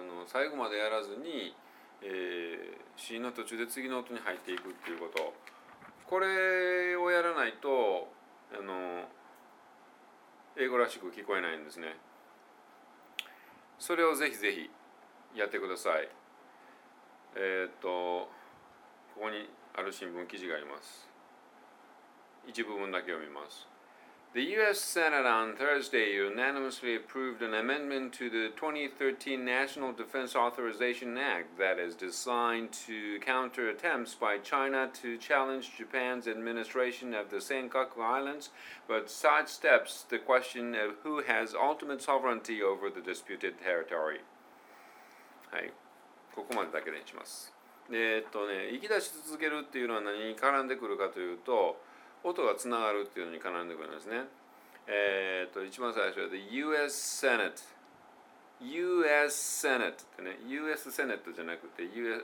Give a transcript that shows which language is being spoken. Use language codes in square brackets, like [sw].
[ja] 最後までやらずに、子音の途中で次の音に入っていくっていうこと、これをやらないと英語らしく聞こえないんですね。それをぜひぜひやってください。ここにある新聞記事があります。一部分だけ読みます。 [en] The U.S. Senate on Thursday unanimously approved an amendment to the 2013 National Defense Authorization Act that is designed to counter attempts by China to challenge Japan's administration of the Senkaku Islands, but sidesteps the question of who has ultimate sovereignty over the disputed territory. [ja] はい、ここまでだけでします。ね、息出し続けるっていうのは何に絡んでくるかというと、音がつながるっていうのに絡んでくるんですね。一番最初は U.S. Senate。 U.S. Senate ってね、U.S. Senate じゃなくて、U.S.